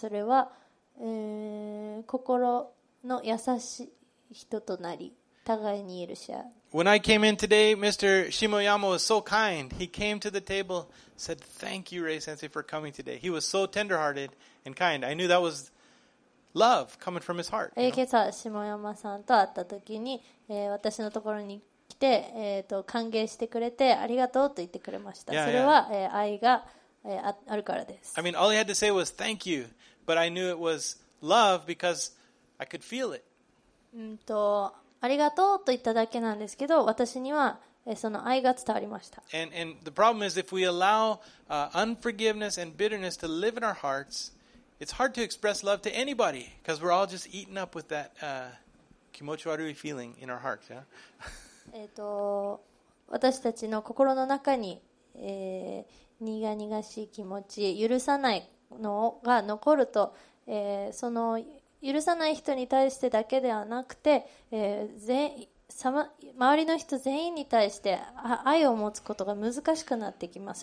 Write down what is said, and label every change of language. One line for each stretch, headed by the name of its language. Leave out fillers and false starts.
Japanese: それは、心の優しい人となり、互いに許し合う。
English: When I came in today, Mr. Shimoyama was so kind. He came to the table, said, "Thank you, Ray Sensei, for coming today." He was so tender-hearted and kind. I knew that was love coming from his heart.
Japanese: 今朝、Shimoyama さんと会った時に、私のところに来て、歓迎してくれてありがとうと言ってくれました。 Yeah, それは、愛が、あるからです。
English: I mean, all he had to say was thank you, but I knew it was love because I could feel it.
Japanese: ありがとうと言っただけなんですけど、私にはその愛が伝わりました。
English: And the problem is if we allow unforgiveness and bitterness to live in our hearts, it's hard to express love to anybody because we're all just eaten up with that
Japanese: 気持ち悪い
English: feeling in our hearts. Yeah?
Japanese: 私たちの心の中に、苦々しい気持ち、許さないのが残ると、その許さない人に対してだけではなくて、周りの人全員に対して愛を持つことが難しくなってきます。